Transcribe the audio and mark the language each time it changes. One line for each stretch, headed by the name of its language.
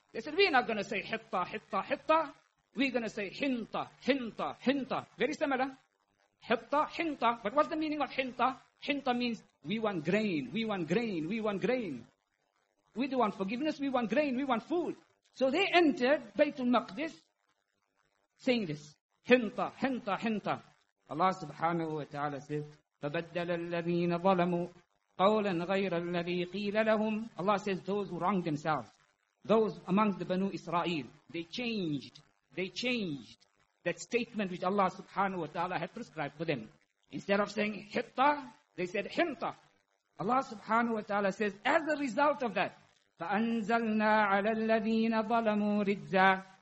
English: They said, we're not going to say hitta, hitta, hitta. We're going to say hinta, hinta, hinta. Very similar. Hitta, hinta. But what's the meaning of hinta? Hinta means we want grain, we want grain, we want grain. We don't want forgiveness, we want grain, we want food. So they entered Baytul Maqdis saying this. Hinta, hinta, hinta. Allah subhanahu wa ta'ala says,
Arabic: فَبَدَّلَ الَّذِينَ ظَلَمُوا قَوْلًا غَيْرَ الَّذِي قِيلَ لَهُمْ.
English: Allah says, those who wronged themselves, those amongst the Banu Israel, they changed that statement which Allah subhanahu wa ta'ala had prescribed for them. Instead of saying hitta, they said hinta. Allah subhanahu wa ta'ala says, as a result of that,
Arabic: فَأَنزَلْنَا عَلَى الَّذِينَ ظَلَمُوا رِجْزًا.